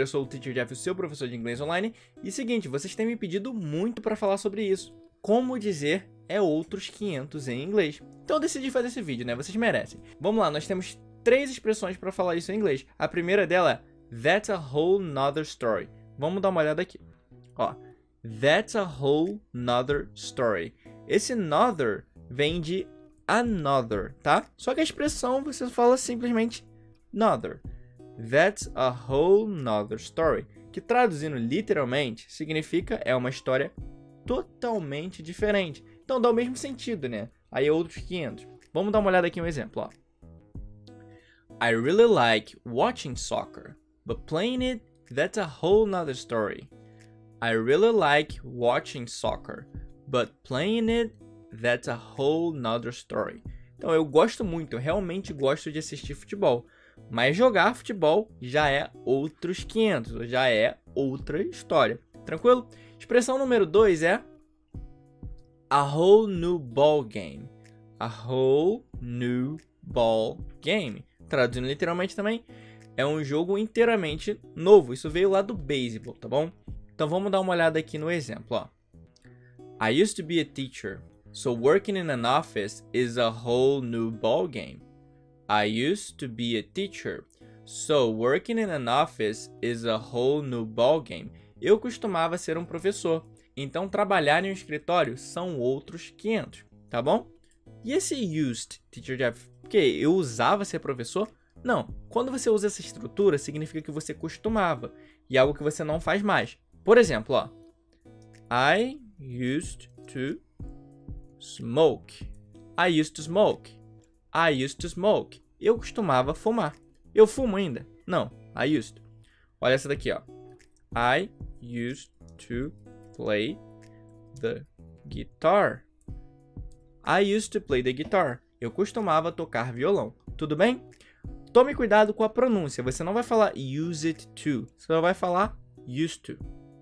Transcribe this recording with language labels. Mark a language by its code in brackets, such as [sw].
[pt] Eu sou o Teacher Jeff, o seu professor de inglês online. E seguinte, vocês têm me pedido muito para falar sobre isso. Como dizer é outros 500 em inglês. Então eu decidi fazer esse vídeo, né? Vocês merecem. Vamos lá, nós temos três expressões para falar isso em inglês. A primeira dela é [en] that's a whole nother story. [pt] Vamos dar uma olhada aqui. [en] Ó, that's a whole nother story. [pt] Esse nother vem de another, tá? Só que a expressão você fala simplesmente nother. [en] That's a whole nother story. [pt] Que traduzindo literalmente, significa é uma história totalmente diferente. Então dá o mesmo sentido, né? Aí outros 500. Vamos dar uma olhada aqui em um exemplo, ó. [en] I really like watching soccer, but playing it, that's a whole nother story. I really like watching soccer, but playing it, that's a whole nother story. [pt] Então eu gosto muito, realmente gosto de assistir futebol. Mas jogar futebol já é outros 500, já é outra história. Tranquilo? Expressão número 2 é [en] a whole new ball game. A whole new ball game. [pt] Traduzindo literalmente também, é um jogo inteiramente novo. Isso veio lá do beisebol, tá bom? Então vamos dar uma olhada aqui no exemplo, ó. [en] I used to be a teacher, so working in an office is a whole new ball game. I used to be a teacher, so working in an office is a whole new ball game. [pt] Eu costumava ser um professor, então trabalhar em um escritório são outros 500, tá bom? E esse used, Teacher Jeff, porque eu usava ser professor? Não, quando você usa essa estrutura, significa que você costumava, e algo que você não faz mais. Por exemplo, ó, [en] I used to smoke. I used to smoke. I used to smoke. [pt] Eu costumava fumar. Eu fumo ainda? Não. [en] I used to. [pt] Olha essa daqui, ó. [en] I used to play the guitar. I used to play the guitar. [pt] Eu costumava tocar violão. Tudo bem? Tome cuidado com a pronúncia. Você não vai falar used to. Você só vai falar used to.